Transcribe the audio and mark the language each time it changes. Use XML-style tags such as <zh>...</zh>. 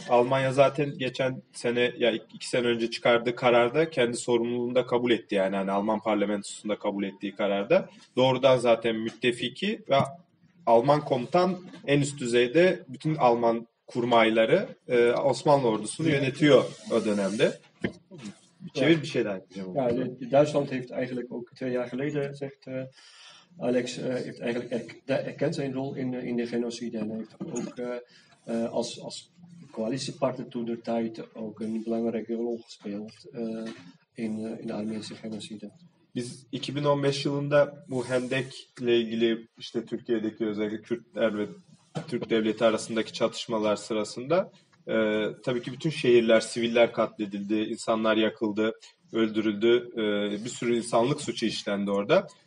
<tr>Almanya zaten geçen sene ya iki sene önce çıkardığı kararda kendi sorumluluğunu da kabul etti. Yani hani Alman parlamentosunda kabul ettiği kararda. Doğrudan zaten müttefiki ve Alman komutan en üst düzeyde bütün Alman kurmayları Osmanlı ordusunu yönetiyor o dönemde. Çevir bir şey daha yapacağım. Yani</tr> <nl>Deutschland heeft eigenlijk ook 2 jaar geleden gezegd Alex heeft eigenlijk erkend zijn rol in de genocide en heeft ook als coalitiepartner toen de tijd ook een belangrijke rol gespeeld in de Armeense genocide.</nl> <tr>Biz 2015 yılında bu Hendek ile ilgili işte Türkiye'deki özellikle Kürtler ve Türk devleti arasındaki çatışmalar sırasında tabii ki bütün şehirler, siviller katledildi, insanlar yakıldı, öldürüldü, bir sürü insanlık suçu işlendi orada.</tr>